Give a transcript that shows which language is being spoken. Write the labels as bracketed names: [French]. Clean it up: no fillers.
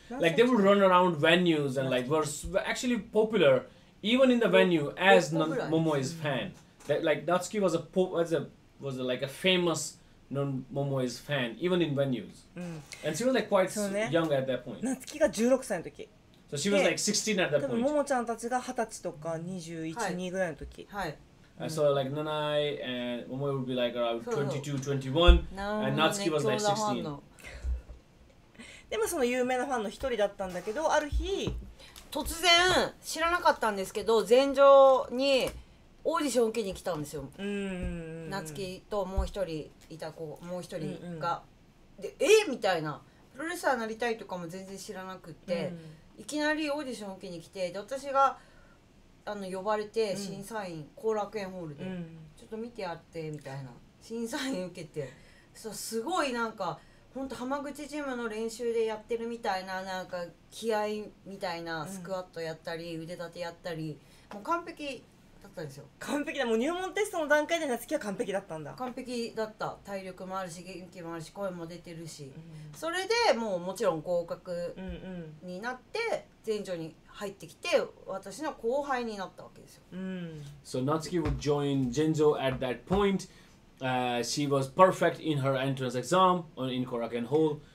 [English] Like they would run around venues and like were actually popular even in the venue as Momoe's fan. That, like Natsuki was a famous Momoe's fan even in venues. And she was like quite young at that point. [Japanese] Natsuki が16歳の時。 [English] So she was like 16 at that point. [Japanese] ももちゃんたちが20歳とか21、2ぐらいの時。はい。 [English] So like Nanae and Momoe would be like around 22, 21, and Natsuki was like 16. [Japanese] でもその有名なファンの一人だったんだけど、ある日突然、知らなかったんですけど、前場にオーディション受けに来たんですよ。 Natsuki ともう一人いた子、もう一人が、で、みたいな、プロレスラーになりたいとかも全然知らなくって、いきなりオーディション受けに来て、で私が呼ばれて審査員、後楽園ホールで、ちょっと見てやってみたいな、審査員受けて、そうすごいなんか本当浜口ジムの練習でやってるみたいな、なんか気合いみたいな、スクワットやったり、うん、腕立てやったり、もう完璧だったんですよ。完璧だ、もう入門テストの段階で夏希は完璧だったんだ。完璧だった、体力もあるし元気もあるし声も出てるし、うん、それでもうもちろん合格になって全場に入ってきて私の後輩になったわけですよ、うん、 [English] So Natsuki would join Genzo at that pointShe was perfect in her entrance exam on in Korakuen Hall.